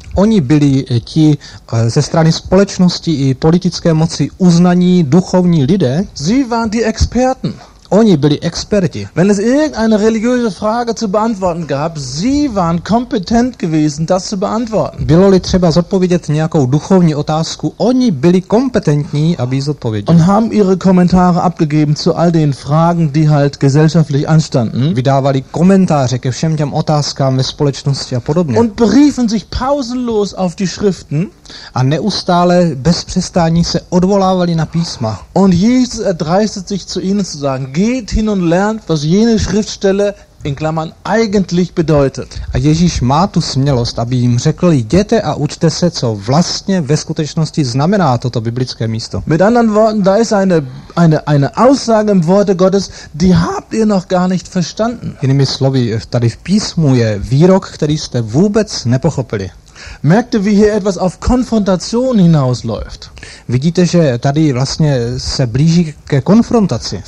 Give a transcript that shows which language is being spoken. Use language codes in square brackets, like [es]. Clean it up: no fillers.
[cs] Oni byli ti ze strany společnosti i politické moci uznaní duchovní lidé. [de] Sie waren die Experten. [cs] Oni byli experti. [de] Wenn es irgendeine religiöse Frage zu beantworten gab, sie waren kompetent gewesen, das zu beantworten. [cs] Bylo-li třeba zodpovědět nějakou duchovní otázku, oni byli kompetentní, aby zodpověděli. [de] Und haben ihre Kommentare abgegeben zu all den Fragen, die halt gesellschaftlich anstanden. [cs] Vydávali komentáře ke všem těm otázkám ve společnosti a podobně. [de] Und beriefen sich pausenlos auf die Schriften. [cs] A neustále bez přestání se odvolávali na písma. [de] Und Jesus erdreistet sich zu ihnen zu sagen, geht hin und lernt, was jene Schriftstelle in Klammern eigentlich bedeutet. [cs] A Ježíš má tu smělost, aby jim řekl, jděte a učte se, co vlastně ve skutečnosti znamená toto biblické místo. [de] Mit anderen Worten, da ist eine Aussage im Worte Gottes, die habt ihr noch gar nicht verstanden. [cs] Jinými slovy, tady v písmu je výrok, který jste vůbec nepochopili. [de] Merkte, wie hier etwas auf Konfrontation hinausläuft. [cs] Vidíte, že tady vlastně se blíží ke konfrontaci.